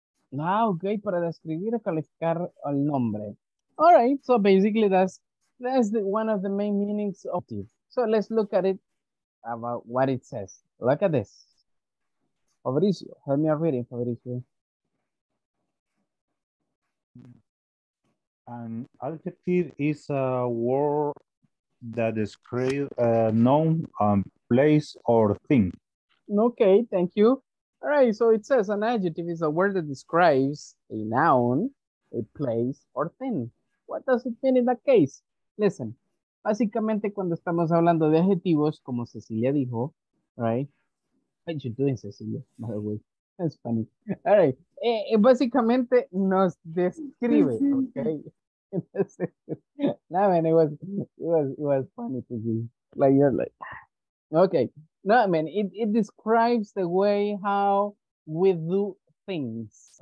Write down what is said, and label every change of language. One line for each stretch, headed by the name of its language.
Spanish: Wow, okay, para describir o calificar el nombre.
English: All right, so basically that's the, one of the main meanings of it. So let's look at it about what it says. Look at this. Fabricio, help me out reading, Fabricio. An adjective is a word that describes a noun, place, or thing. Okay, thank you. All right, so it says an adjective is a word that describes a noun, a place, or thing. What does it mean in that case?
Spanish: Listen, básicamente cuando estamos hablando de adjetivos, como Cecilia dijo, right?
English: What are you doing, Cecilia, by the way? That's funny. All right, básicamente nos describe, okay? No, man, it was funny to see. Like you're like, okay. No, man, it describes the way how we do things.